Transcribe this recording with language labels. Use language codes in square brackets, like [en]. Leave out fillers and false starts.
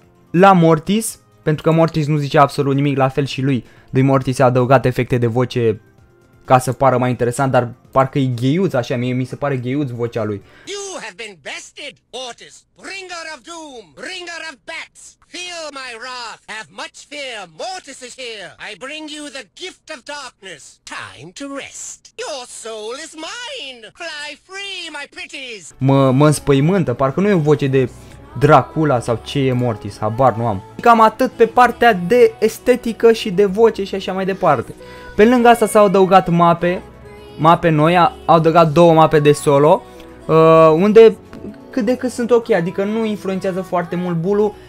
[ro] La Mortis, pentru că Mortis nu zice absolut nimic, la fel și lui. Lui Mortis a adăugat efecte de voce ca să pară mai interesant, dar parcă e gheiuț așa, mie mi se pare gheiuț vocea lui. [en] You have been bested, Mortis, bringer of doom, bringer of bats. Feel my wrath, have much fear, Mortis is here. I bring you the gift of darkness, time to rest. Your soul is mine, fly free, my pretties. [ro] Mă înspăimântă, parcă nu e o voce de Dracula sau ce e Mortis, habar nu am. Cam atât pe partea de estetică și de voce și așa mai departe. Pe lângă asta s-au adăugat mape noi, au adăugat două mape de solo, unde cât de cât sunt ok, adică nu influențează foarte mult bulu.